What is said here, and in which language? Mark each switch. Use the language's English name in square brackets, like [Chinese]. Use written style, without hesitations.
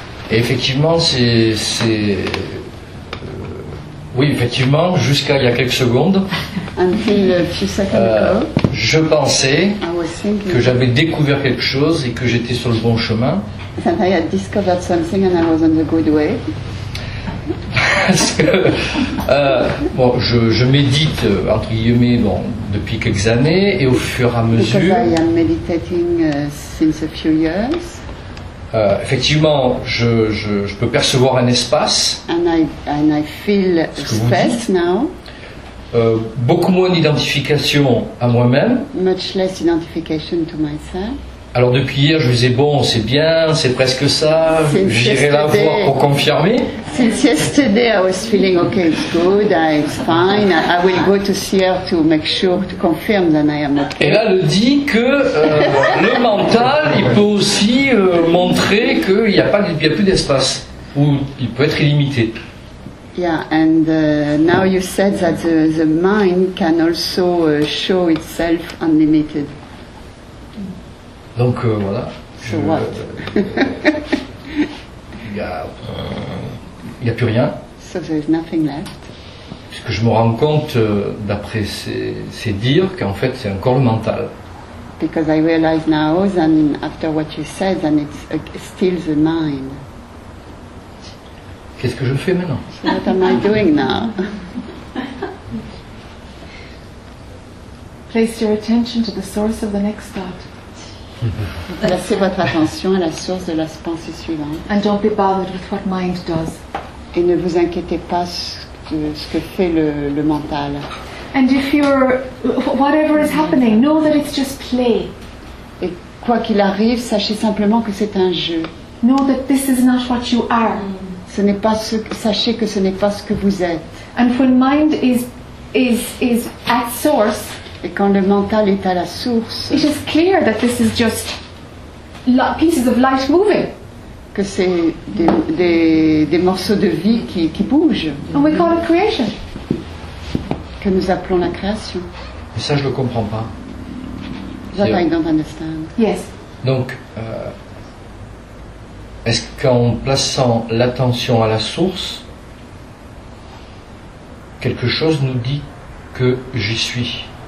[French] Et effectivement, c'est oui, effectivement, jusqu'à il y a quelques secondes. [English] Until a few seconds ago. [French] Je pensais que j'avais découvert quelque chose et que j'étais sur le bon chemin. [English] That I had discovered something and I was on the good way. [French] Parce que bon, je médite entre guillemets bon depuis quelques années et au fur et à mesure. [English] Because I am meditating since a few years. [French] Effectivement, je peux percevoir un espace. [English] And I feel space now. [French] Beaucoup moins d'identification à moi-même. [English] Much less identification to myself. [French] Alors depuis hier, je me disais bon, c'est bien, c'est presque ça. [English] Since [French] j'irai la voir pour confirmer. [English] Since yesterday, I was feeling okay, it's good, it's fine. I will go to see her to make sure to confirm that I am okay. [French] Et là, elle dit que le mental, il peut aussi montrer qu'il n'y a pas, il n'y a plus d'espace ou il peut être illimité. [English] Yeah, and now you said that the mind can also show itself unlimited. [French] Donc voilà. [English] So what? [French] Il n'y a plus rien. [English] So there's nothing left. [French] Parce que je me rends compte d'après ces dires qu'en fait c'est encore le mental. [English] Because I realize now that after what you said that it's still the mind. [French] Qu'est-ce que je fais maintenant? [English] So what am I doing now? Place your attention to the source of the next thought. [French] Placez votre attention à la source de la pensée suivante. [English] And don't be bothered with what mind does. [French] Et ne vous inquiétez pas ce que fait le mental. [English] And if you're whatever is happening, know that it's just play. [French] Et quoi qu'il arrive, sachez simplement que c'est un jeu. [English] Know that this is not what you are. [French] Ce n'est pas sachez que ce n'est pas ce que vous êtes. [English] And when mind is at source. [French] Et quand le mental est à la source, [English] it is clear that this is just pieces of light moving. [French] Que c'est des morceaux de vie qui bougent. [English] And we call it creation. [French] Que nous appelons la création. Mais ça, je le comprends pas. [English] That I don't understand. Yes. [French] Donc, est-ce qu'en plaçant l'attention à la source, quelque chose nous dit que j'y suis?